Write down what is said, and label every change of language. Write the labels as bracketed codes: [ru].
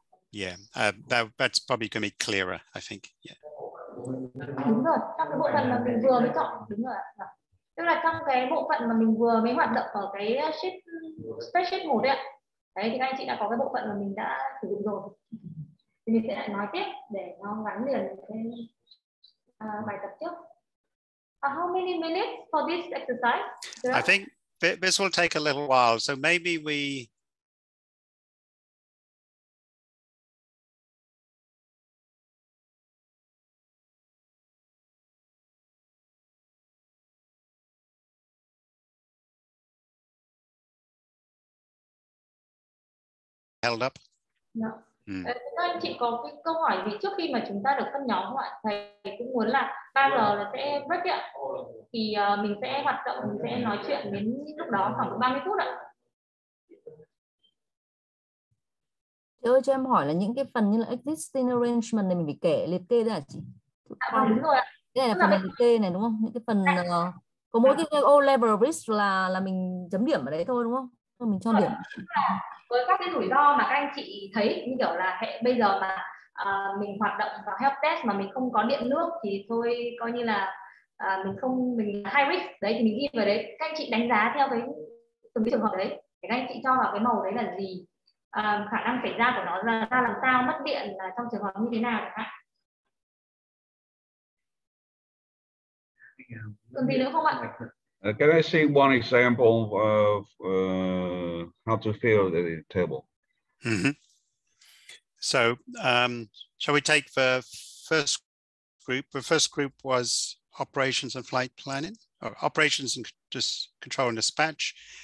[en] Yeah, that's probably going to be clearer, I think. Yeah. [vi] Đúng rồi, trong cái bộ phận mà mình vừa mới chọn, đúng rồi. Tức là trong cái bộ phận mà mình vừa mới hoạt động ở cái sheet spreadsheet 1 đấy ạ. Đấy thì các anh chị đã có cái bộ phận mà mình đã sử dụng rồi. Thì mình sẽ lại nói tiếp để nó gắn liền lên bài tập trước. [en] How many minutes for this exercise? I think this will take a little while, so maybe we held up. No. [vi] Thưa anh chị có cái câu hỏi vì trước khi mà chúng ta được phân nhóm ạ, thầy cũng muốn là 3 giờ là sẽ break ạ. Thì mình sẽ hoạt động, mình sẽ nói chuyện đến lúc đó khoảng 30 phút ạ. Thưa ơi, cho em hỏi là những cái phần như là existing arrangement này mình phải kể liệt kê ra chị? À, đúng rồi ạ. Cái này là phần liệt kê này đúng không? Những cái phần có mỗi cái O level risk là mình chấm điểm ở đấy thôi đúng không? Mình cho điểm. Với các cái rủi ro mà các anh chị thấy như kiểu là hệ bây giờ mà mình hoạt động vào help desk mà mình không có điện nước thì thôi coi như là mình high risk đấy thì mình ghi vào đấy. Các anh chị đánh giá theo cái từng cái trường hợp đấy. Các anh chị cho vào cái màu đấy là gì? Khả năng xảy ra của nó ra làm sao, mất điện là trong trường hợp như thế nào ạ? [en] Can I see one example of how to fill the table? Mm-hmm. So, shall we take the first group? The first group was operations and flight planning, or operations and just control and dispatch.